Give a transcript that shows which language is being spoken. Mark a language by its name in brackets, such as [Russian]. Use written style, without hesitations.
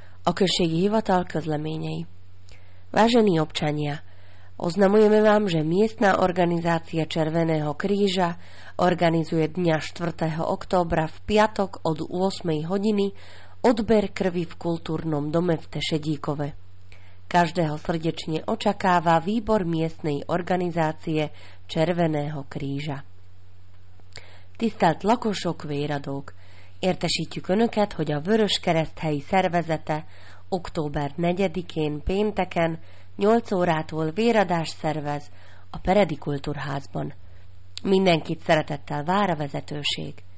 [Hungarian] Okresný hivatal Közleményei. [Slovak] Vážení občania, oznamujeme vám, že miestna organizácia Červeného kríža organizuje dňa 4. októbra v piatok od 8. hodiny odber krvi v kultúrnom dome v Tešedíkove. Každého srdečne očakáva výbor miestnej organizácie Červeného kríža. [Hungarian] Tisztelt lakosok, véradók! Értesítjük Önöket, hogy a Vöröskereszthelyi szervezete október 4-én pénteken 8 órától véradást szervez a Peredi Kultúrházban. Mindenkit szeretettel vár a vezetőség.